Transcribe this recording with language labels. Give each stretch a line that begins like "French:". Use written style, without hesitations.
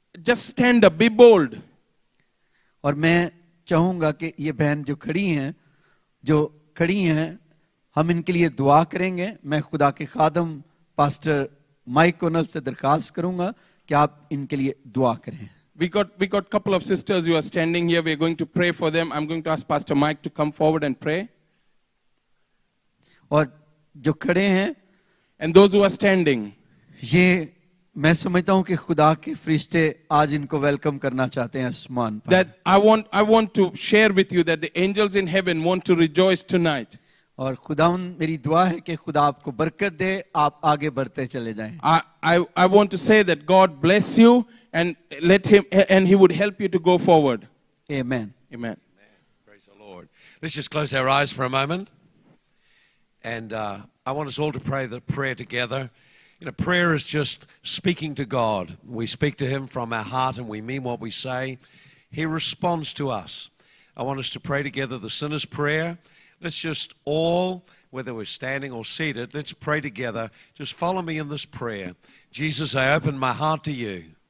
English: just stand up be bold
Hindi: और मैं चाहूंगा कि ये बहन जो खड़ी हैं हम इनके लिए दुआ करेंगे मैं खुदा के खादम पास्टर माइक कोनल से दरखास्त करूंगा कि आप इनके लिए दुआ करें
English: we got couple of sisters who are standing here we are going to pray for them I'm going to ask pastor mike to come forward and pray
Hindi: और जो खड़े हैं
English: and those who are standing
Hindi: ये मैं समझता हूं कि खुदा के फरिश्ते आज इनको वेलकम करना चाहते हैं आसमान पर
English: that I want to share with you that the angels in heaven want to rejoice tonight
Hindi: और खुदावन मेरी दुआ है कि खुदा आपको बरकत दे आप आगे बढ़ते चले जाएं
English: I want to say that God bless you and let him and he would help you to go forward amen amen praise the Lord let's just close our eyes for a moment and I want us all to pray the prayer together You know, prayer is just speaking to God. We speak to Him from our heart and we mean what we say. He responds to us. I want us to pray together the sinner's prayer. Let's just all, whether we're standing or seated, let's pray together. Just follow me in this prayer. Jesus, I open my heart to you.